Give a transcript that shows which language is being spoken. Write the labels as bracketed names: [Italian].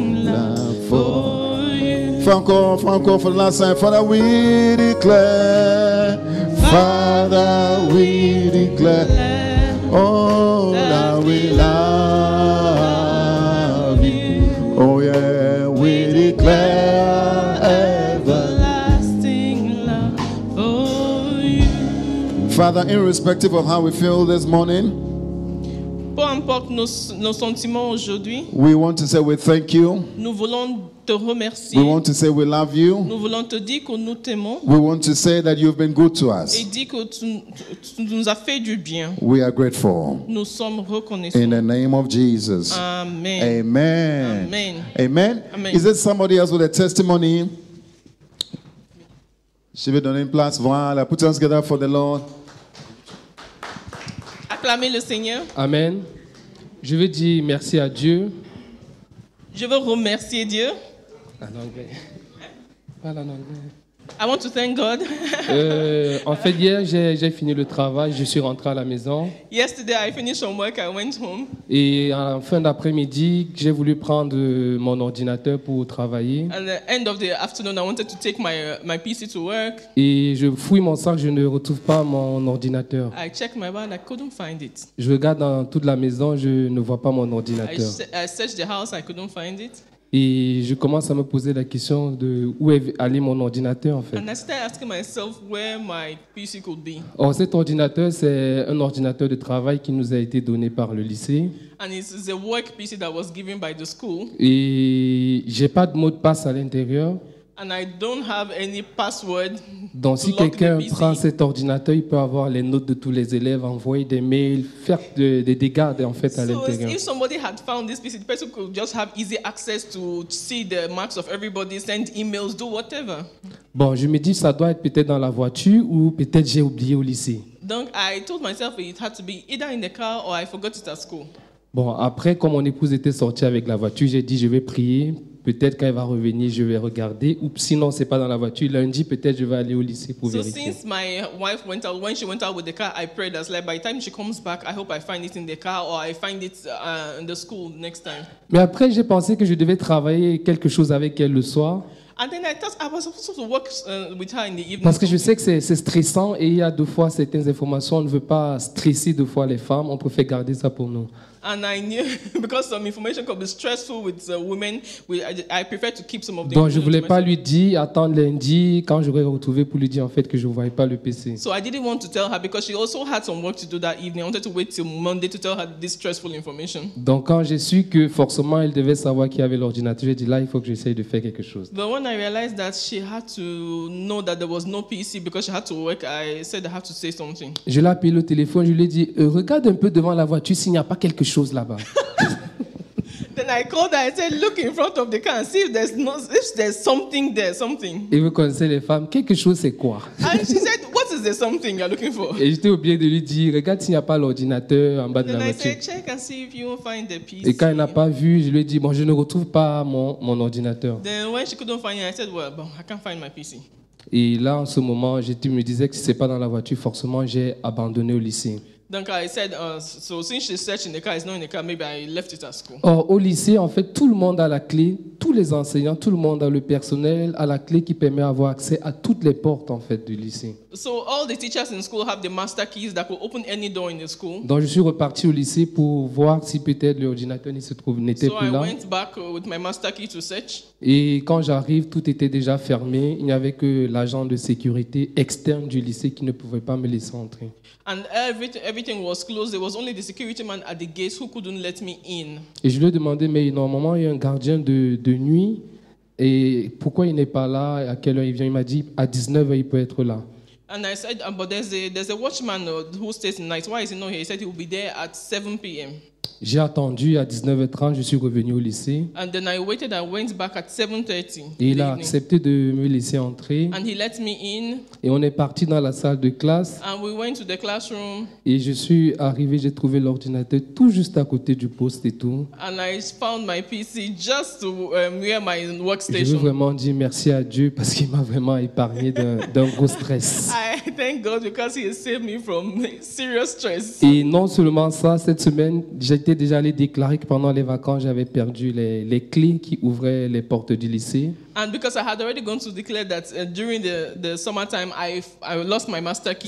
[English] Encore, for the last time, Father, we declare, Father, we declare, oh, that we love you. Oh, yeah, we declare everlasting love for you. Father, irrespective of how we feel this morning, pump [French] qu'importe nos sentiments aujourd'hui. [English] We want to say we thank you. [French] Nous voulons te remercier. [English] We want to say we love you. [French] Nous voulons te dire que nous t'aimons. [English] We want to say that you've been good to us. [French] Et dire que tu nous as fait du bien. [English] We are grateful. [French] Nous sommes reconnaissants. [English] In the name of Jesus. Amen. Amen. Amen. Amen. Amen. Is there somebody else with a testimony? [French] Je vais donner une place. [English] Voilà. Put us together for the Lord. [French] Acclamez le Seigneur. Amen. Je veux dire merci à Dieu. Je veux remercier Dieu. En anglais. Parle en anglais. [English] I want to thank God. [French] En fait, hier, j'ai fini le travail. Je suis rentré à la maison. [English] Yesterday, I finished some work. I went home. [French] Et en fin d'après-midi, j'ai voulu prendre mon ordinateur pour travailler. [English] At the end of the afternoon, I wanted to take my PC to work. [French] Et je fouille mon sac, je ne retrouve pas mon ordinateur. [English] I checked my bag, I couldn't find it. [French] Je regarde dans toute la maison, je ne vois pas mon ordinateur. [English] I searched the house, I couldn't find it. [French] Et je commence à me poser la question de où est allé mon ordinateur, en fait. [English] And I started asking myself where my PC could be. [French] Or, cet ordinateur, c'est un ordinateur de travail qui nous a été donné par le lycée. [English] And it's the work PC that was given by the school. [French] Et j'ai pas de mot de passe à l'intérieur. [English] And I don't have any password. [French] Donc, si quelqu'un prend cet ordinateur, il peut avoir les notes de tous les élèves, envoyer des mails, faire des dégâts en fait à l'intérieur. [English] So if somebody had found this PC, the person could just have easy access to see the marks of everybody, send emails, do whatever. [French] Bon, je me dis ça doit être peut-être dans la voiture ou peut-être j'ai oublié au lycée. [English] Donc, I told myself it had to be either in the car or I forgot it at school. [French] Bon, après, comme mon épouse était sortie avec la voiture, j'ai dit je vais prier. Peut-être quand elle va revenir, je vais regarder. Ou sinon, c'est pas dans la voiture. Lundi, peut-être, je vais aller au lycée pour vérifier. [English] So since my wife went out, when she went out with the car, I prayed as like by the time she comes back, I hope I find it in the car or I find it in the school next time. [French] Mais après, j'ai pensé que je devais travailler quelque chose avec elle le soir. [English] And then I thought I was supposed to work with her in the evening. [French] Parce que je sais que c'est stressant et il y a deux fois certaines informations. On ne veut pas stresser deux fois les femmes. On préfère garder ça pour nous. [English] And I knew because some information could be stressful with women. I prefer to keep some of the. [French] Donc je voulais pas lui dire attendre lundi quand j'aurais retrouvé pour lui dire en fait que je ne voyais pas le PC. [English] So I didn't want to tell her because she also had some work to do that evening. I wanted to wait till Monday to tell her this stressful information. [French] Donc quand j'ai su que forcément elle devait savoir qu'il y avait l'ordinateur, j'ai dit là il faut que j'essaye de faire quelque chose. [English] But when I realized that she had to know that there was no PC because she had to work, I said I have to say something. [French] Je l'ai appelé au téléphone, je lui ai dit regarde un peu devant la voiture s'il n'y a pas quelque chose là-bas. [English] Then I called her. I said, look in front of the car and see if there's something there, something. [French] Et vous connaissez les femmes, quelque chose c'est quoi? [English] And she said, what is the something you're looking for? [French] Et j'étais oublié de lui dire, regarde s'il n'y a pas l'ordinateur en bas [English] then [French] de la [English] I [French] voiture. [English] Then I said, check and see if you will find the PC. [French] Et quand elle n'a pas vu, je lui ai dit, bon, je ne retrouve pas mon ordinateur. [English] Then when she couldn't find it, I said, well, I can't find my PC. [French] Et là, en ce moment, j'étais me disais que si c'est pas dans la voiture, forcément, j'ai abandonné au lycée. [English] Donc, I said, so since she's searching the car, it's not in the car, maybe I left it at school. [French] Or, au lycée, en fait, tout le monde a la clé, tous les enseignants, tout le monde a le personnel, a la clé qui permet d'avoir accès à toutes les portes, en fait, du lycée. [English] So, all the teachers in school have the master keys that will open any door in the school. [French] Donc, je suis reparti au lycée pour voir si peut-être l'ordinateur n'était plus là. [English] So, I went back with my master key to search. [French] Et quand j'arrive, tout était déjà fermé. Il n'y avait que l'agent de sécurité externe du lycée qui ne pouvait pas me laisser entrer. [English] And everything was closed. There was only the security man at the gate who couldn't let me in. [French] Et je lui ai demandé, mais normalement, il y a un gardien de nuit. Et pourquoi il n'est pas là? À quelle heure il vient? Il m'a dit, à 19h, il peut être là. [English] And I said, but there's a watchman who stays at night. Why is he not here? He said he will be there at 7 p.m. [French] J'ai attendu à 19h30, je suis revenu au lycée. [English] And then I waited, I went back at 7:30. [French] Et il a accepté de me laisser entrer. [English] And he let me in. [French] Et on est parti dans la salle de classe. [English] And we went to the classroom. [French] Et je suis arrivé, j'ai trouvé l'ordinateur tout juste à côté du poste et tout. [English] And I found my PC just to near my workstation. [French] Je veux vraiment dire merci à Dieu parce qu'il m'a vraiment épargné d'un gros stress. [English] I thank God because he saved me from serious stress. [French] Et non seulement ça, cette semaine, j'étais déjà allé déclarer que pendant les vacances, j'avais perdu les clés qui ouvraient les portes du lycée. [English] And because I had already gone to declare that during the summertime, I lost my master key.